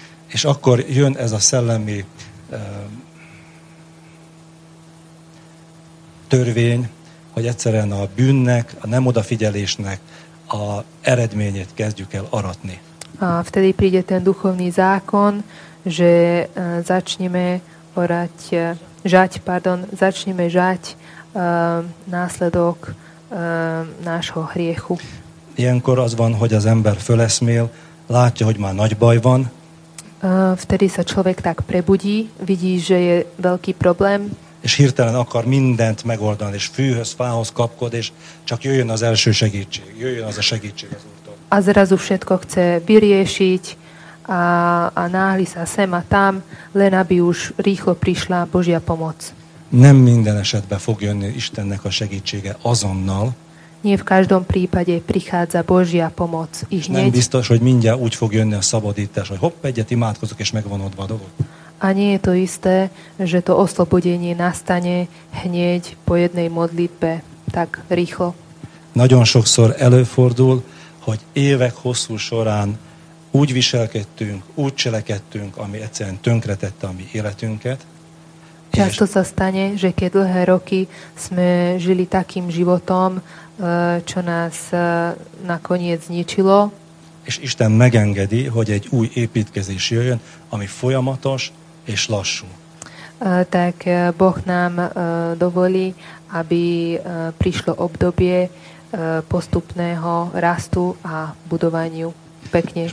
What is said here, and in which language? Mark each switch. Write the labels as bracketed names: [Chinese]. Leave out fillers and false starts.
[Hungarian] És akkor jön ez a szellemi törvény, hogy egyszerűen a bűnnek, a nem odafigyelésnek a eredményét kezdjük el aratni. [Slovak] A vtedy príde ten duchovný zákon, že začneme orať, žať, pardon, začneme žať následok nášho hriechu. [Hungarian] Ilyenkor az van, hogy az ember föleszmél, látja, hogy már nagy baj van. [Slovak] Vtedy sa človek tak prebudí, vidí, že je veľký problém. [Hungarian] És hirtelen akar mindent megoldani, és fűhöz, fához kapkod, és csak jöjjön az első segítség, jöjjön az a segítség az Úrtól. [Slovak] A zrazu všetko chce vyriešiť a náhli sa sem a tam, len aby už rýchlo prišla Božia pomoc. [Hungarian] Nem minden esetben fog jönni Istennek a segítsége azonnal. [Slovak] Nie v každom prípade prichádza Božia pomoc ihneď. [Hungarian] Nem biztos, hogy mindjárt úgy fog jönni a szabadítás, hogy hopp, egyet imádkozok, és megvan odva a dolog. [Slovak] A nie je to isté, že to oslobodenie nastane hneď po jednej modlitbe, tak rýchlo. [Hungarian] Nagyon sokszor előfordul, hogy évek hosszú során úgy viselkedtünk, úgy cselekedtünk, ami egyszerűen tönkretette a mi életünket. [Slovak] Často sa stane, že keď dlhé roky sme žili takým životom, čo nás nakoniec zničilo. [Hungarian] És Isten megengedi, hogy egy új építkezés jöjjön, ami folyamatos és lassú. [Slovak] Tak Boh nám dovolí, aby prišlo obdobie postupného rastu a budovaniu pekne